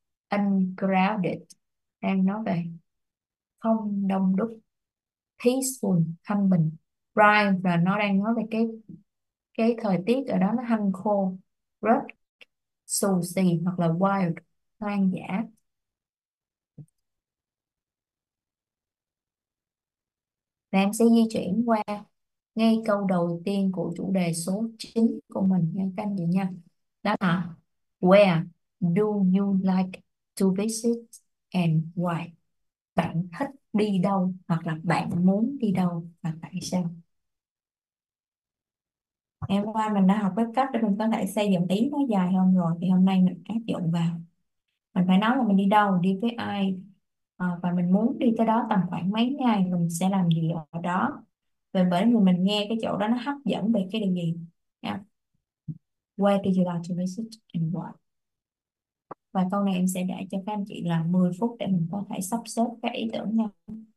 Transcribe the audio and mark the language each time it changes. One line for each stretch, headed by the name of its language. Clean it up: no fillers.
Vietnamese: uncrowded, đang nói về không đông đúc, peaceful, thanh bình, prime, và nó đang nói về cái thời tiết ở đó nó hanh khô, rất xù xì hoặc là wild, hoang dã. Và em sẽ di chuyển qua ngay câu đầu tiên của chủ đề số 9 của mình nha các anh chị nha.
English: Đó là Where do you like to visit and why?
Vietnamese: Bạn thích đi đâu hoặc là bạn muốn đi đâu và tại sao? Em qua mình đã học với cách để mình có thể xây dựng ý nó dài hơn rồi thì hôm nay mình áp dụng vào. Mình phải nói là mình đi đâu, đi với ai và mình muốn đi tới đó tầm khoảng mấy ngày, mình sẽ làm gì ở đó. Và bởi vì mình nghe cái chỗ đó nó hấp dẫn về cái điều gì.
English: Where do you like to visit and why?
Vietnamese: Và câu này em sẽ để cho các anh chị là 10 phút để mình có thể sắp xếp các ý tưởng nha.